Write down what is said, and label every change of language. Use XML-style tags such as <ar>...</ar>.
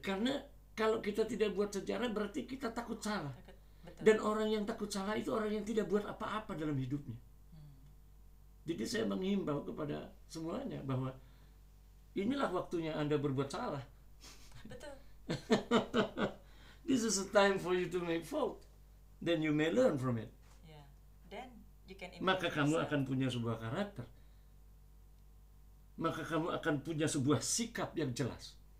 <id>Karena kalau kita tidak buat sejarah, berarti kita takut salah. Dan orang yang takut salah itu orang yang tidak buat apa-apa dalam hidupnya. Jadi saya menghimbau kepada semuanya bahwa inilah waktunya Anda berbuat salah. Betul.</id> <en>This is a time for you to make fault. Then you may learn from it. Then you can improve.</en> <id>Maka kamu akan punya sebuah karakter. Maka kamu akan punya sebuah sikap yang jelas.</id>